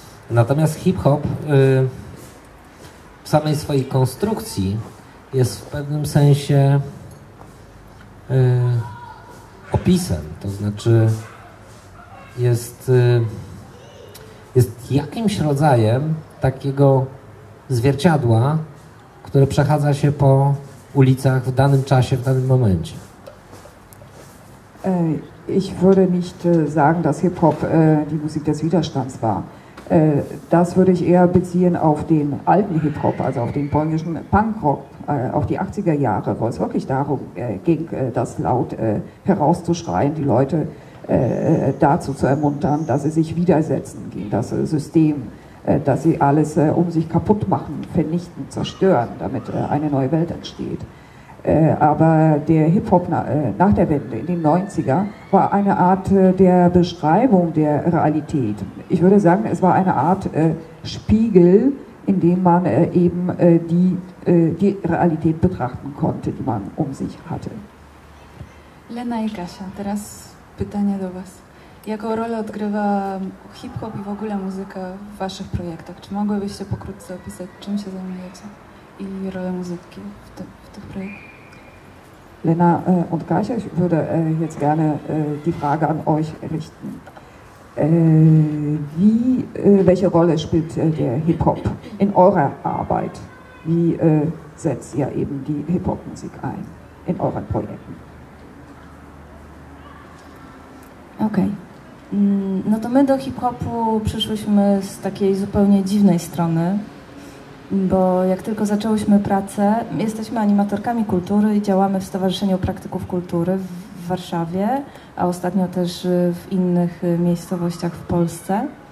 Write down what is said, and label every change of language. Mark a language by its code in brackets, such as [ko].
[pl] Natomiast hip-hop w samej swojej konstrukcji jest w pewnym sensie opisem, to znaczy jest jakimś rodzajem takiego zwierciadła, które przechadza się po ulicach w danym czasie, w danym momencie. Ej. [de] Ich würde nicht sagen, dass Hip-Hop die Musik des Widerstands war. Das würde ich eher beziehen auf den alten Hip-Hop, also auf den polnischen Punk-Rock, auf die 80er Jahre, wo es wirklich darum ging, das laut herauszuschreien, die Leute dazu zu ermuntern, dass sie sich widersetzen gegen das System, dass sie alles um sich kaputt machen, vernichten, zerstören, damit eine neue Welt entsteht. Aber der Hip-Hop nach der Wende in den 90er war eine Art der Beschreibung der Realität. Ich würde sagen, es war eine Art Spiegel, in dem man eben die Realität betrachten konnte, die man um sich hatte. [pl] Lena i Kasia, teraz pytanie do was. Jaką rolę odgrywa Hip-Hop i w ogóle muzyka w waszych projektach? Czy mogłybyście pokrótce opisać, czym się zajmujecie i rolę muzyki w tych projektach? [de] Lena und Kasia, ich würde jetzt gerne die Frage an euch richten. Welche Rolle spielt der Hip-Hop in eurer Arbeit? Wie setzt ihr eben die Hip-Hop-Musik ein in euren Projekten? Okay. [pl] No to my do Hip-Hopu przyszłyśmy z takiej zupełnie dziwnej strony. Bo jak tylko zaczęłyśmy pracę, jesteśmy animatorkami kultury i działamy w Stowarzyszeniu Praktyków Kultury w Warszawie, a ostatnio też w innych miejscowościach w Polsce.